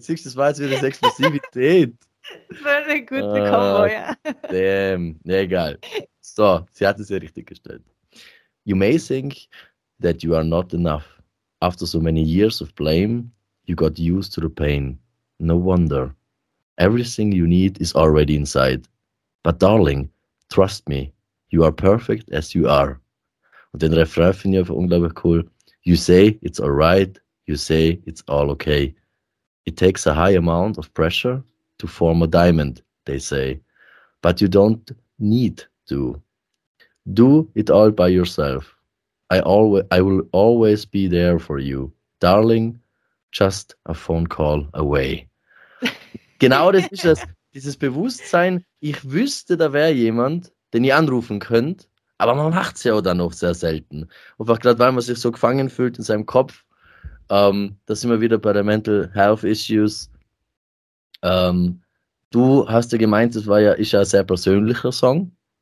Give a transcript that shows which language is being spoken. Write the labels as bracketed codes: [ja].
[de] Siehst du, das war jetzt wieder das Explosivität. Das war eine gute Kombo, ja. Damn, egal. So, sie hat es ja richtig gestellt. [en] You may think that you are not enough. After so many years of blame, you got used to the pain. No wonder. Everything you need is already inside. But darling, trust me, you are perfect as you are. [de] Und den Refrain finde ich einfach unglaublich cool. [en] You say it's alright, you say it's all okay. It takes a high amount of pressure to form a diamond, they say. But you don't need to. Do it all by yourself. I will always be there for you. Darling, just a phone call away. [de] Genau das ist es. Dieses Bewusstsein, ich wüsste, da wäre jemand, den ich anrufen könnte, aber man macht es ja auch dann noch sehr selten. Einfach gerade, weil man sich so gefangen fühlt in seinem Kopf, da sind wir wieder bei den Mental Health Issues. Du hast ja gemeint, das war ja, ist ja ein sehr persönlicher Song.